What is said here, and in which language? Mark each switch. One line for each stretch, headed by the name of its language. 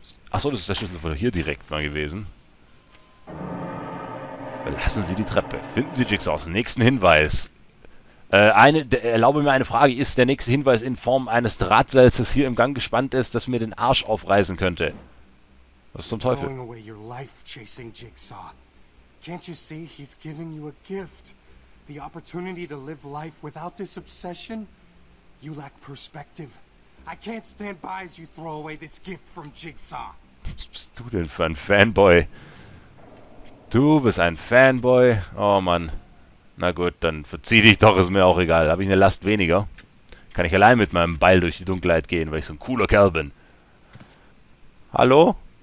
German: Achso, das ist der Schlüssel von hier direkt mal gewesen. Verlassen Sie die Treppe. Finden Sie Jigsaws. Nächsten Hinweis. Erlaube mir eine Frage. Ist der nächste Hinweis in Form eines Drahtseils, das hier im Gang gespannt ist, das mir den Arsch aufreißen könnte? Was zum Teufel?
English: Throwing away your life chasing Jigsaw. Can't you see, he's giving you a gift. the opportunity to live life without this obsession? You lack perspective. I can't stand by as you throw away this gift from Jigsaw.
German: Was bist du denn für ein Fanboy? Du bist ein Fanboy? Oh Mann. Na gut, dann verzieh dich doch, ist mir auch egal. Habe ich eine Last weniger? Kann ich allein mit meinem Beil durch die Dunkelheit gehen, weil ich so ein cooler Kerl bin. Hallo?